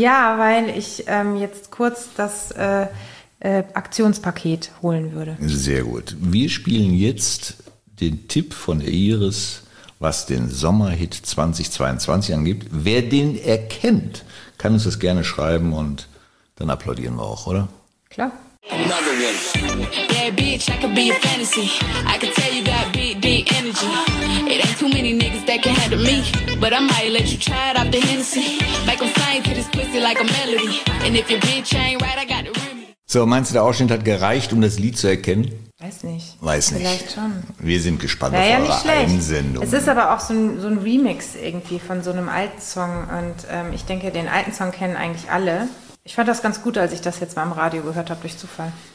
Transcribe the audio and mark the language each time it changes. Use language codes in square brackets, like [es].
[de] Ja, weil ich jetzt kurz das Aktionspaket holen würde. Sehr gut. Wir spielen jetzt den Tipp von der Iris, was den Sommerhit 2022 angibt. Wer den erkennt, kann uns das gerne schreiben und dann applaudieren wir auch, oder? Klar. [en] Yeah, bitch, I could be a fantasy. I could tell you got big, big energy. It ain't too many niggas that can handle me. But I might let you try it out the Hennessy. Make them sing to this pussy like a melody. And if your bitch ain't right, I got the remedy. [de] So, meinst du, der Ausschnitt hat gereicht, um das Lied zu erkennen? Weiß nicht. Weiß nicht. Vielleicht schon. Wir sind gespannt auf eure Einsendung. Es ist aber auch so ein Remix irgendwie von so einem alten Song. Und ich denke, den alten Song kennen eigentlich alle. Ich fand das ganz gut, als ich das jetzt mal im Radio gehört habe, durch Zufall.